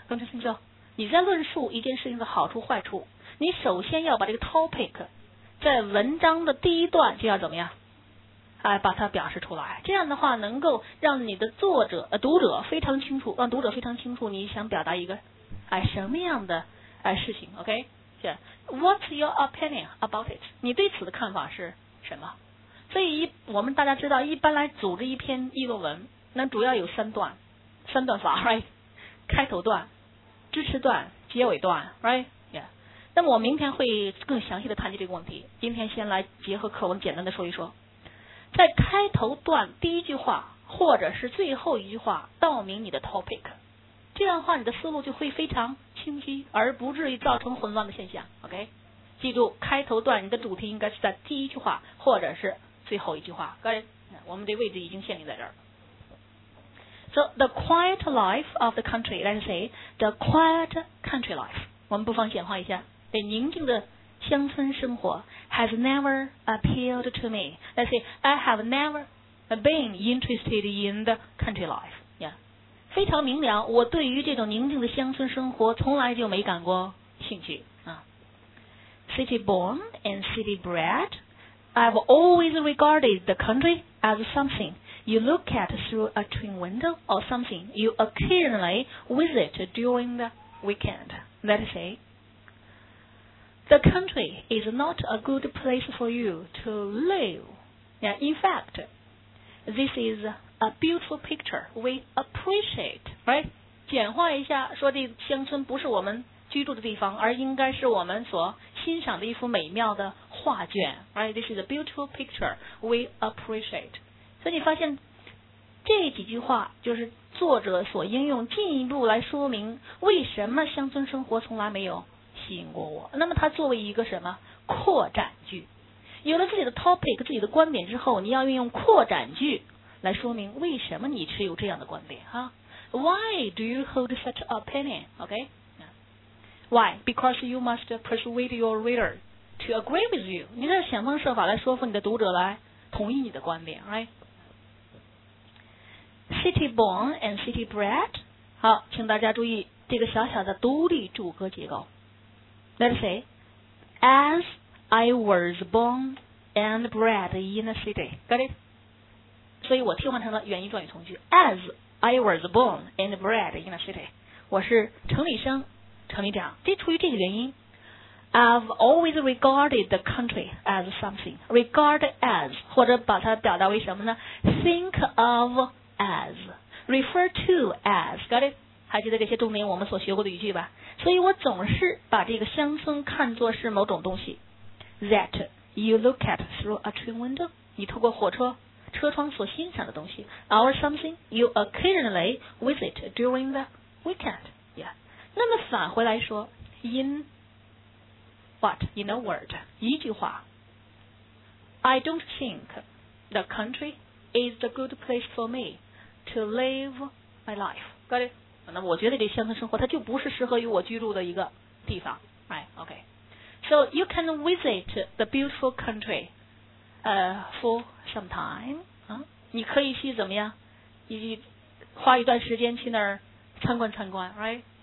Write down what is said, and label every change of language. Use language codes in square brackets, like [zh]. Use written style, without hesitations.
[zh] 同学听说，你在论述一件事情的好处坏处，你首先要把这个 topic 在文章的第一段就要怎么样，把它表示出来，这样的话能够让你的作者读者非常清楚，让读者非常清楚你想表达一个什么样的事情。 [en] OK、yeah. What's your opinion about it? [zh] 你对此的看法是什么？所以我们大家知道，一般来组织一篇议论文，那主要有三段法 ，right？ 开头段、支持段、结尾段 ，right？ [en] Yeah。 [zh] 那么我明天会更详细的谈及这个问题。今天先来结合课文简单的说一说，在开头段第一句话或者是最后一句话道明你的 topic， 这样的话你的思路就会非常清晰，而不至于造成混乱的现象。 OK， 记住开头段你的主题应该是在第一句话或者是最后一句话。各位，我们的位置已经限定在这儿了。 [en] So the quiet life of the country. Let's say the quiet country life. [zh] 我们不妨简化一下，对宁静的乡村生活 [en] has never appealed to me. Let's say I have never been interested in the country life. [zh] Yeah， 非常明了，我对于这种宁静的乡村生活从来就没感过兴趣啊。 [en] City born and city bred, I've always regarded the country as something. You look at through a twin window or something. You occasionally visit during the weekend. Let's say, the country is not a good place for you to live. Yeah, in fact, this is a beautiful picture. We appreciate, right? [zh] 简化一下，说这乡村不是我们居住的地方，而应该是我们所欣赏的一幅美妙的画卷。 [en] Right? This is a beautiful picture. We appreciate. [zh] 所以你发现。这几句话就是作者所应用，进一步来说明为什么乡村生活从来没有吸引过我。那么它作为一个什么扩展句，有了自己的 topic 自己的观点之后，你要运用扩展句来说明为什么你持有这样的观点哈。 [en] Why do you hold such opinion? OK? Why? Because you must persuade your reader to agree with you. [zh] 你得想方设法来说服你的读者来同意你的观点 ， [en] right? City born and city bred. [zh] 好，请大家注意这个小小的独立主格结构。 [en] Let's say, as I was born and bred in a city. Got it? [zh] 所以我替换成了原因状语从句。 [en] As I was born and bred in a city. [zh] 我是城里生，城里长。这出于这个原因。 [en] I've always regarded the country as something. [zh] Regard as, 或者把它表达为什么呢 ？ [en] Think of. As, refer to as, got it? [zh] 还记得这些重点我们所学过的语句吧？所以我总是把这个乡村看作是某种东西。 [en] That you look at through a train window, [zh] 你透过火车车窗所欣赏的东西。 [en] Or something you occasionally visit during the weekend, yeah. [zh] 那么返回来说 ，in what? [en] In a word, [zh] 一句话。 [en] I don't think the country. Is a good place for me to live my life. Got it? [zh] 那我觉得这乡村生活它就不是适合于我居住的一个地方。 [en] Right? Okay. So you can visit the beautiful country, for some time. [zh] 啊，你可以去怎么样？你花一段时间去那儿参观参观。 [en] Right?